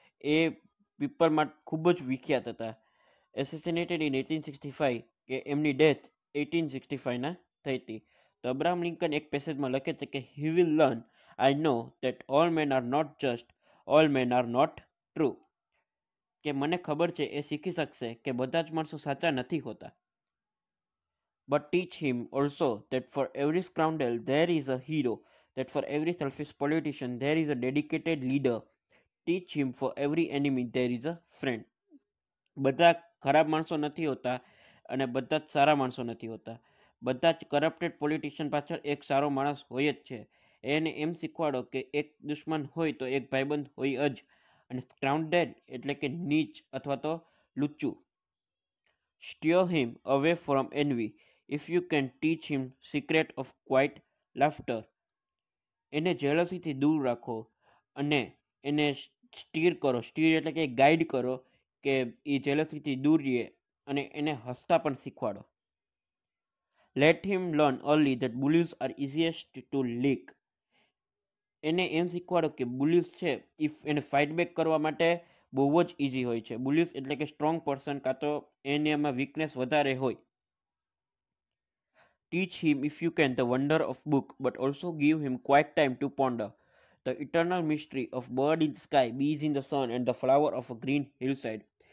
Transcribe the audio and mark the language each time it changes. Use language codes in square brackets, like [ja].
[gu] એ people માટે ખૂબ જ વિખ્યાત હતા. [en] assassinated in 1865, [gu] કે એમની ડેથ 1865ના થઈ હતી. તો અબ્રાહમ લિંકન એક પેસેજમાં લખે છે કે [en] he will learn, I know that all men are not just, all men are not true, [gu] કે મને ખબર છે એ શીખી શકશે કે બધા જ માણસો સાચા નથી હોતા. [en] But teach him also that for every scoundrel there is a hero, that for every selfish politician there is a dedicated leader. Teach him for every enemy there is a friend. [gu] બધા ખરાબ માણસો નથી હોતા અને બધા જ સારા માણસો નથી હોતા. બધા જ કરપ્ટેડ પોલિટિશિયન પાછળ એક સારો માણસ હોય જ છે. એને એમ શીખવાડો કે એક દુશ્મન હોય તો એક ભાઈબંધ હોય જ, અને સ્ક્રાઉન્ડેલ એટલે કે નીચ અથવા તો લુચ્ચું. [en] Steer him away from envy. If you can teach him secret of quiet laughter, [gu] એને જેલસીથી દૂર રાખો અને એને સ્ટીર કરો. સ્ટીર એટલે કે ગાઈડ કરો કે એ જેલસીથી દૂર રહે, અને એને હસતા પણ શીખવાડો. [en] Let him learn early that bullies are easiest to lick. [gu] એને એમ શીખવાડો કે બુલીસ છે ઇફ એને ફાઈટબેક કરવા માટે બહુ જ ઇઝી હોય છે. બુલીસ એટલે કે સ્ટ્રોંગ પર્સન, કાં તો એનામાં વીકનેસ વધારે હોય. [en] Teach him if you can the wonder of book, but also give him quiet time to ponder the eternal mystery of bird in sky, bees in the sun and the flower of a green hillside.